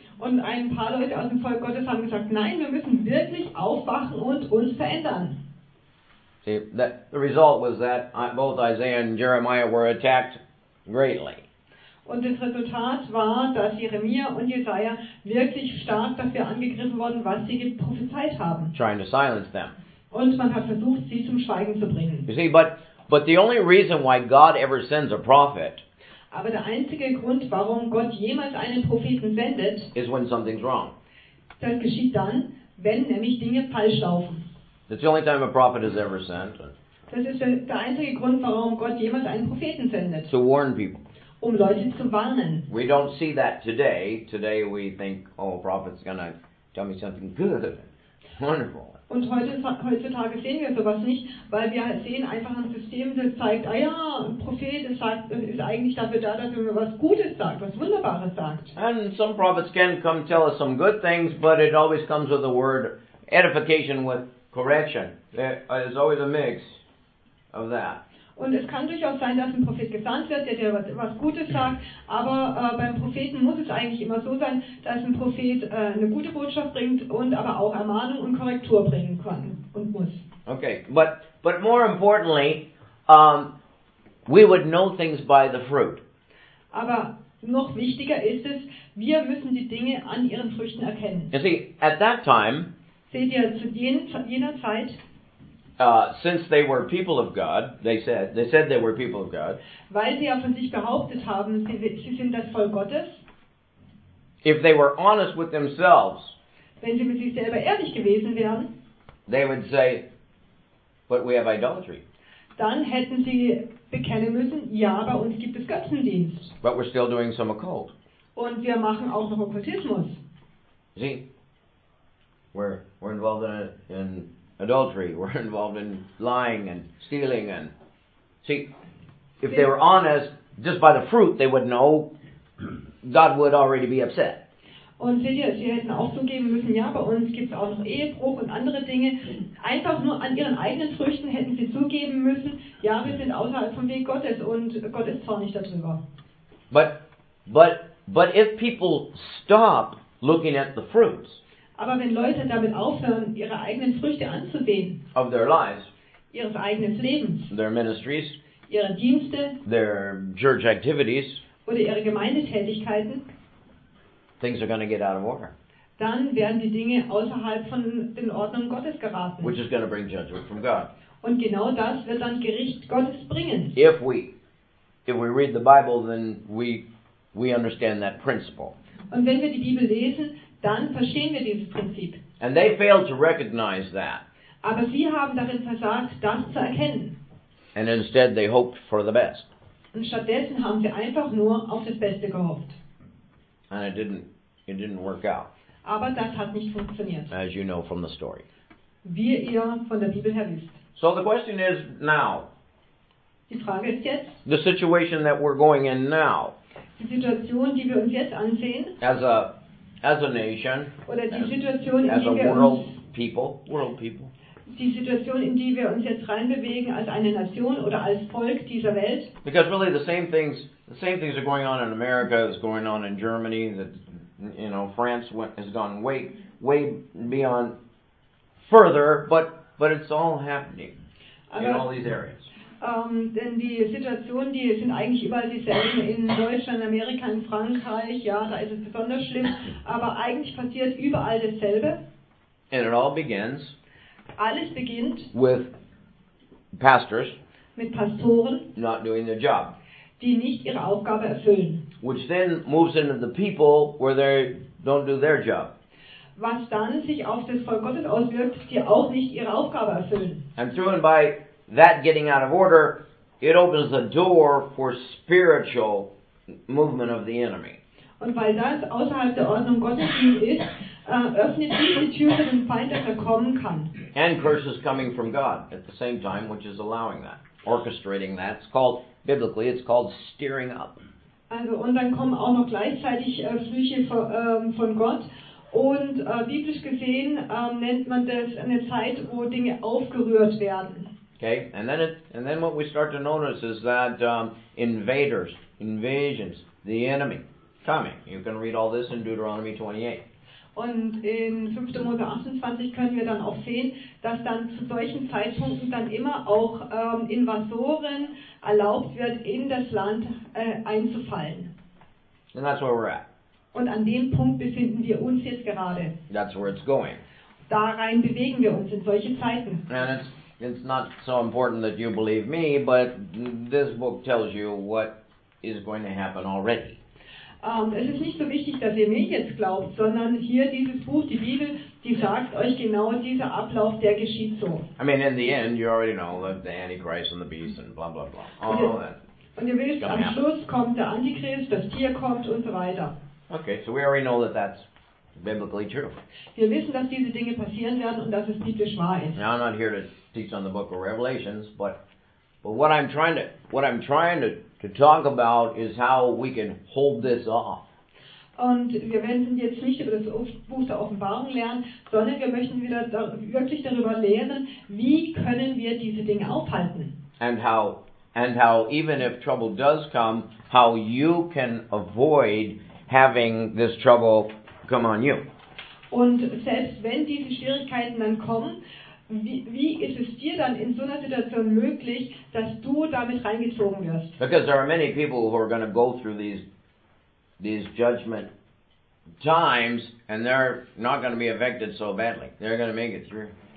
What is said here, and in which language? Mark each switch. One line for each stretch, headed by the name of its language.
German: Und ein paar Leute aus dem Volk Gottes haben gesagt, nein, wir müssen wirklich aufwachen und uns verändern.
English: See, the result was that both Isaiah and Jeremiah were attacked greatly.
German: Und das Resultat war, dass Jeremia und Jesaja wirklich stark dafür angegriffen wurden, was sie geprophezeit haben.
English: Trying to silence them.
German: Und man hat versucht, sie zum Schweigen zu bringen.
English: You see, but the only reason why God ever sends a prophet,
German: aber der einzige Grund, warum Gott jemals einen Propheten sendet,
English: is when something's wrong.
German: Das geschieht dann, wenn nämlich Dinge falsch laufen.
English: That's the only time a prophet is ever sent.
German: Das ist der einzige Grund, warum Gott jemals einen Propheten sendet.
English: To warn people.
German: Um Leute zu warnen.
English: We don't see that today. Today we think, oh, a prophet's gonna tell me something good, wonderful.
German: Und heutzutage sehen wir sowas nicht, weil wir sehen einfach ein System, das zeigt, ah ja, ein Prophet ist eigentlich dafür da, dass er mir was Gutes sagt, was Wunderbares sagt.
English: And some prophets can come tell us some good things, but it always comes with the word edification with correction. There's always a mix of that.
German: Und es kann durchaus sein, dass ein Prophet gesandt wird, der dir was Gutes sagt, aber beim Propheten muss es eigentlich immer so sein, dass ein Prophet eine gute Botschaft bringt und aber auch Ermahnung und Korrektur bringen kann und muss.
English: Okay, but more importantly, we would know things by the fruit.
German: Aber noch wichtiger ist es, wir müssen die Dinge an ihren Früchten erkennen.
English: You see, at that time,
German: seht ihr, zu jener Zeit,
English: Since they were people of God, they said they were people of God.
German: Weil sie ja von sich behauptet haben, sie sind das Volk Gottes.
English: If they were honest with themselves,
German: wenn sie mit sich selber ehrlich gewesen wären,
English: they would say, but we have idolatry.
German: Dann hätten sie bekennen müssen, ja, bei uns gibt es Götzendienst.
English: But we're still doing some occult.
German: Und wir machen auch noch Okkultismus.
English: See, we're involved in adultery, we're involved in lying and stealing and... See, if they were honest, just by the fruit, they would know God would already be upset.
German: Und seht ihr, sie hätten auch zugeben müssen, ja, bei uns gibt es auch noch Ehebruch und andere Dinge. Einfach nur an ihren eigenen Früchten hätten sie zugeben müssen, ja, wir sind außerhalb vom Weg Gottes und Gott ist zornig darüber.
English: But if people stop looking at the fruits,
German: aber wenn Leute damit aufhören, ihre eigenen Früchte anzusehen,
English: of their lives,
German: ihres eigenen Lebens,
English: their ministries,
German: ihre Dienste,
English: their church activities,
German: oder ihre Gemeindetätigkeiten,
English: things are going to get out of order.
German: Dann werden die Dinge außerhalb von den Ordnungen Gottes geraten.
English: Which is going to bring judgment from God.
German: Und genau das wird dann Gericht Gottes bringen.
English: If we read the Bible, then we understand that principle.
German: Und wenn wir die Bibel lesen, dann verstehen wir dieses Prinzip.
English: And they failed to recognize that.
German: Aber sie haben darin versagt, das zu erkennen.
English: And instead they hoped for the best.
German: Und stattdessen haben sie einfach nur auf das Beste gehofft.
English: And it didn't work out.
German: Aber das hat nicht funktioniert.
English: As you know from the story.
German: Wie ihr von der Bibel her wisst.
English: So the question is now.
German: Die Frage ist jetzt.
English: The situation that we're going in now.
German: Die Situation, die wir uns jetzt ansehen.
English: As a nation.
German: Oder die Situation,
English: as
German: in die
English: a world people.
German: Die Situation, in die wir uns jetzt reinbewegen als eine Nation oder als Volk dieser Welt.
English: Because really the same things are going on in America, is going on in Germany, that, you know, France has gone way beyond further, but it's all happening.
German: Aber
English: in all these areas.
German: Denn die Situationen, die sind eigentlich überall dieselben, in Deutschland, Amerika, in Frankreich, ja, da ist es besonders schlimm, aber eigentlich passiert überall dasselbe.
English: And it all begins.
German: Alles beginnt.
English: With pastors.
German: Mit Pastoren.
English: Not doing their job.
German: Die nicht ihre Aufgabe erfüllen.
English: Which then moves into the people where they don't do their job.
German: Was dann sich auf das Volk Gottes auswirkt, die auch nicht ihre Aufgabe erfüllen.
English: And through and by that getting out of order, it opens the door for spiritual movement of the enemy.
German: Und weil das außerhalb der Ordnung Gottes ist, öffnet sich die Tür für den Feind, dass kommen kann.
English: And curses coming from God at the same time, which is allowing that, orchestrating that. It's called, biblically, it's called steering up.
German: Also, und dann kommen auch noch gleichzeitig Flüche von Gott. Und biblisch gesehen nennt man das eine Zeit, wo Dinge aufgerührt werden.
English: Okay, and then what we start to notice is that invaders, invasions, the enemy coming. You can read all this in Deuteronomy 28.
German: Und in 5. Mose 28 können wir dann auch sehen, dass dann zu solchen Zeitpunkten dann immer auch Invasoren erlaubt wird, in das Land einzufallen.
English: And that's where we're at.
German: Und an dem Punkt befinden wir uns jetzt gerade.
English: That's where it's going.
German: Da rein bewegen wir uns in solche Zeiten.
English: And it's not so important that you believe me, but this book tells you what is going to happen already.
German: Es ist nicht so wichtig, dass ihr mir jetzt glaubt, sondern hier dieses Buch, die Bibel, die sagt euch genau, dieser Ablauf, der geschieht so.
English: I mean, in the end, you already know that the Antichrist and the Beast and blah, blah, blah.
German: Und ihr wisst, am Schluss kommt der Antichrist, das Tier kommt und so weiter.
English: Okay, so we already know that that's biblically true.
German: Wir wissen, dass diese Dinge passieren werden und dass es biblisch wahr ist.
English: Now, I'm not here to teach on the book of Revelations, but what I'm trying to talk about is how we can hold this off.
German: Und wir werden jetzt nicht über das Buch der Offenbarung lernen, sondern wir möchten wieder wirklich darüber lernen, wie können wir diese Dinge aufhalten?
English: And how even if trouble does come, how you can avoid having this trouble come on you.
German: Und selbst wenn diese Schwierigkeiten dann kommen, Wie ist es dir dann in so einer Situation möglich, dass du damit reingezogen wirst?
English: Because there are many people who are going to go through these judgment times and they're not going to be affected so badly. They're going to make it through.